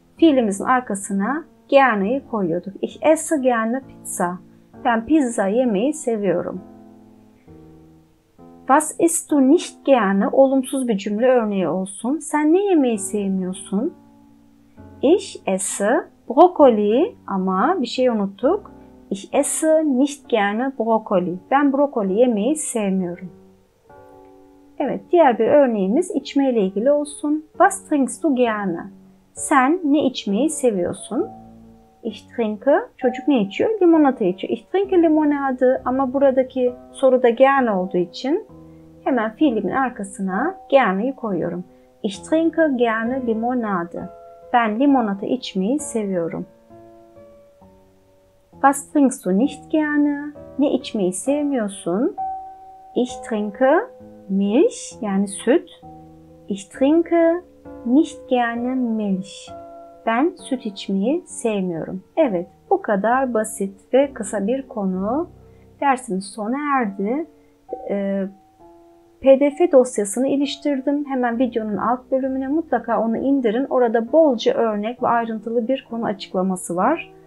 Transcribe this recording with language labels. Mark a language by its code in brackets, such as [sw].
[tr] Fiilimizin arkasına gerne'yi koyuyorduk. [de] Ich esse gerne Pizza. [tr] Ben pizza yemeği seviyorum. [de] Was isst du nicht gerne? [tr] Olumsuz bir cümle örneği olsun. Sen ne yemeği sevmiyorsun? [de] Ich esse brokoli. [tr] Ama bir şey unuttuk. [de] Ich esse nicht gerne brokoli. [tr] Ben brokoli yemeği sevmiyorum. Evet, diğer bir örneğimiz içmeyle ilgili olsun. [de] Was trinkst du gerne? [tr] Sen ne içmeyi seviyorsun? [de] Ich trinke, [tr] çocuk ne içiyor? Limonata içiyor. [de] Ich trinke limonade [tr] ama buradaki soruda gerne olduğu için hemen fiilimin arkasına gerne'yi koyuyorum. [de] Ich trinke gerne limonade. [tr] Ben limonata içmeyi seviyorum. [de] Was trinkst du nicht gerne? [tr] Ne içmeyi sevmiyorsun? [de] Ich trinke Milch, [tr] yani süt. [de] Ich trinke nicht gerne Milch. [tr] Ben süt içmeyi sevmiyorum. Evet, bu kadar basit ve kısa bir konu. Dersimiz sona erdi. PDF dosyasını iliştirdim. Hemen videonun alt bölümüne mutlaka onu indirin. Orada bolca örnek ve ayrıntılı bir konu açıklaması var.